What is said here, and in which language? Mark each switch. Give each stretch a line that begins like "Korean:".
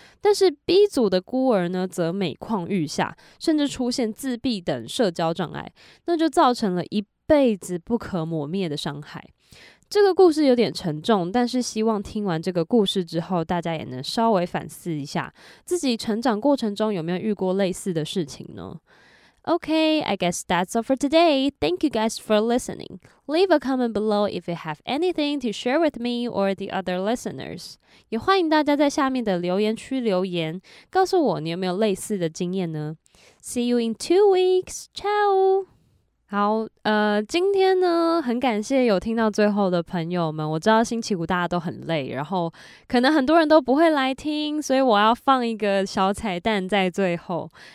Chinese: 但是 B 组的孤儿呢，则每况愈下，甚至出现自闭等社交障碍，那就造成了一辈子不可磨灭的伤害。这个故事有点沉重，但是希望听完这个故事之后，大家也能稍微反思一下，自己成长过程中有没有遇过类似的事情呢？
English: Okay, I guess that's all for today. Thank you guys for listening. Leave a comment below if you have anything to share with me or the other listeners.
Chinese: 也欢迎大家在下面的留言区留言，告诉我你有没有类似的经验呢？
English: See you in 2 weeks. Ciao!
Chinese: 好，今天呢，很感谢有听到最后的朋友们。我知道星期五大家都很累，然后可能很多人都不会来听，所以我要放一个小彩蛋在最后。